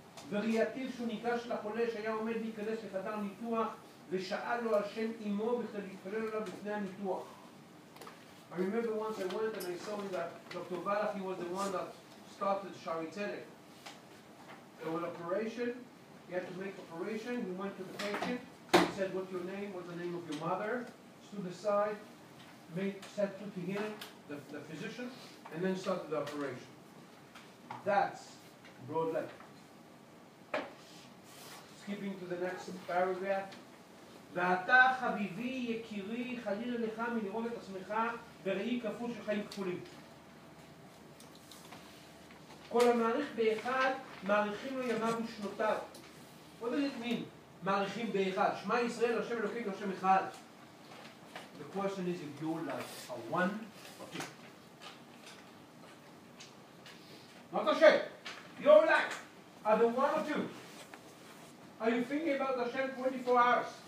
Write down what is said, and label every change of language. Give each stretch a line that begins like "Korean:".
Hebrew: וריאתיו שהוא ניגש לחולה שהיה עומד להיכנס לחדר ניתוח ושאל לו על שם אמו בכדי להתפלל עליו לפני הניתוח.
English: I remember once I went and I saw him that Dr. Balach, he was the one that started Shari Tzedek. There was an operation, he had to make operation, he went to the patient, he said, what's your name, what's the name of your mother? Stood aside, said to him, the physician, and then started the operation. That's broad leg. Skipping to the next paragraph.
Hebrew: ואתה חביבי יקירי חלילה לך מלראות את עצמך בראי כפול של חיים כפולים. כל המעריך באחד מעריכים לו ימיו ושנותיו. What does it mean? מעריכים באחד. שמה ישראל, השם אלוקים, השם אחד.
English: The question is if you're like a one or two. Not a shame. You're like a one or two. Are you thinking about Hashem 24 hours?